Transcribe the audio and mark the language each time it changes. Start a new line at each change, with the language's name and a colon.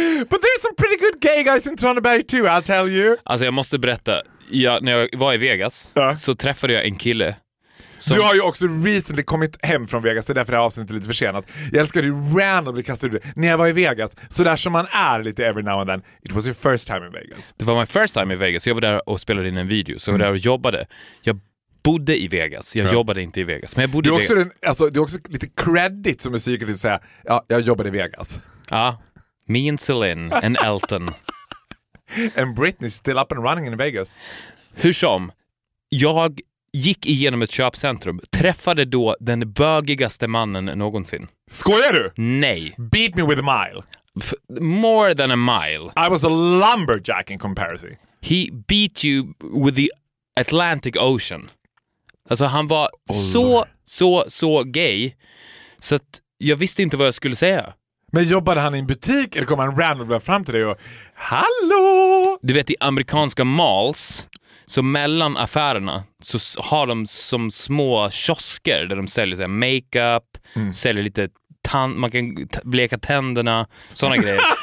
English: But there's some pretty good gay guys in Tranberg too, I'll tell you.
Swedish: Alltså jag måste berätta. Ja, när jag var i Vegas så träffade jag en kille. Du har ju också
English: recently
Swedish: kommit hem från Vegas, det är därför det här avsnittet är lite försenat. Jag älskar ju
English: randomly
Swedish: kasta ut det. När jag var i Vegas, så där som man är lite
English: every now and then. It was your first time in Vegas.
Swedish: Det var
English: my first time
Swedish: i Vegas. Jag var där och spelade in en video. Så jag var där och jobbade. Jag bodde i Vegas. Jag jobbade inte i Vegas. Men jag bodde i Vegas. Det är också, alltså, också lite credit som musiker till att säga. Ja, jag jobbade i Vegas.
English: Ja, me and Celine and Elton. And Britney's still up and running in Vegas.
Swedish: Hur som, jag gick igenom ett köpcentrum, träffade då den bögigaste mannen någonsin. Skojar du? Nej.
English: Beat me with a mile. More than a mile. I was a lumberjack in comparison. He beat you with the Atlantic Ocean.
Swedish: Alltså han var så gay, så att jag visste inte vad jag skulle säga. Men jobbade han i en butik eller kom han random fram till dig och hallå? Du vet i amerikanska malls, så mellan affärerna så har de som små kiosker där de säljer så här makeup, säljer lite tand, man kan bleka tänderna, såna grejer.